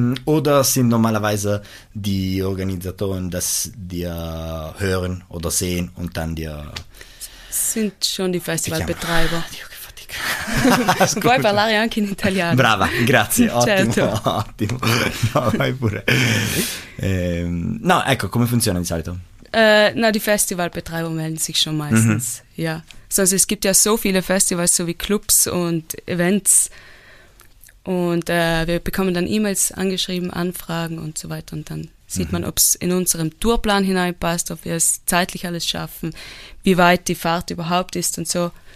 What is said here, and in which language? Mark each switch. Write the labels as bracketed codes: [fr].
[de] Oder sind normalerweise die Organisatoren, dass dir hören oder sehen und dann dir... Sind schon die Festivalbetreiber. [it] Dio, che fatica. Scusa. Puoi parlare anche in italiano. Brava, grazie, certo. ottimo. No, vai pure. No, ecco, come funziona di solito? [de] Na, die Festivalbetreiber melden sich schon meistens, mhm. ja. Sonst, es gibt ja so viele Festivals, so wie Clubs und Events. Und wir bekommen dann E-Mails angeschrieben, Anfragen und so weiter. Und dann sieht mhm. man, ob es in unserem Tourplan hineinpasst, ob wir es zeitlich alles schaffen, wie weit die Fahrt überhaupt ist und so.